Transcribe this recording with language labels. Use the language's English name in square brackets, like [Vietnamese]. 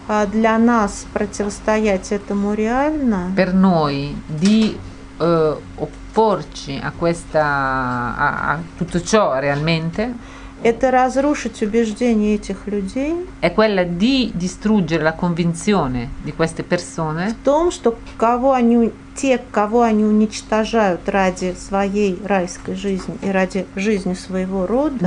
[Russian] Для нас противостоять этому реально. [Italian] Per noi di opporci a questa a, a tutto ciò realmente. [Russian] Это разрушить убеждения этих людей. [Italian] È quella di distruggere la convinzione di queste persone. [Russian] В том, что кого они те, кого они уничтожают ради своей райской жизни и ради жизни своего рода.